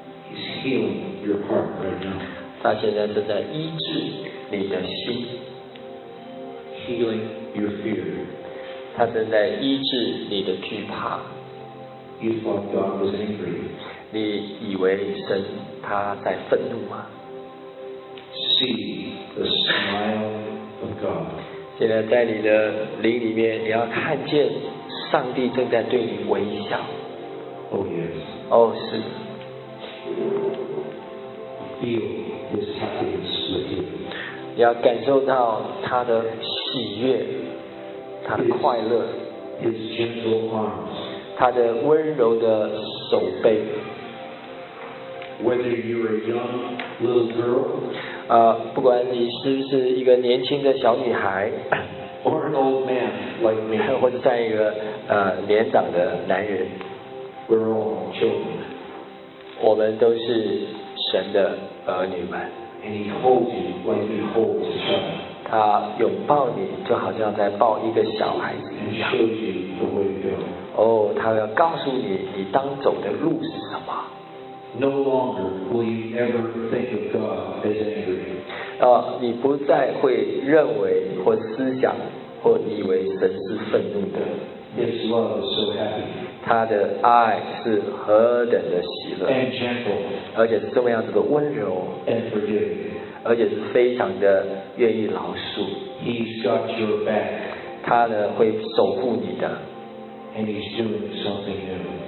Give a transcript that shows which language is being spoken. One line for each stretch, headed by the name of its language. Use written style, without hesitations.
English: He's healing your heart right now.
Chinese: 他现在正在医治你的心。
English: Healing your fear.
Chinese: 他正在医治你的惧怕。
English: You thought God was angry.
Chinese: 你以为神他在愤怒吗？
English: See the smile of God.
Chinese: 现在在你的灵里面，你要看见上帝正在对你微笑。
English: Oh yes. 哦、oh, 是。 Feel His happiness with you.
Chinese: 你要感受到他的喜悦，他的快乐。
English: His gentle arms.
Chinese: 他的温柔的手背。
English: Whether you're a young little girl,
Chinese: 不管你是不是一个年轻的小女孩
English: or an old man like me,
Chinese: 或者在一个年长的男人
English: we're all children.
Chinese: 我们都是神的儿女们
English: and he holds you like he holds a child.
Chinese: 他拥抱你，就好像在抱一个小孩子一样
English: and shows you the way to go.
Chinese: 哦，他要告诉你，你当走的路是什么。
English: No longer will you ever think of God as angry.
Chinese: 你不再会认为或思想或以为神是愤怒的。
English: His love is so happy.
Chinese: 他的爱是何等的喜乐。
English: And gentle.
Chinese: 而且是这么样子的温柔。
English: And forgiving.
Chinese: 而且是非常的愿意饶恕。
English: He's got your back.
Chinese: 他呢会守护你的。
English: And he's doing something new.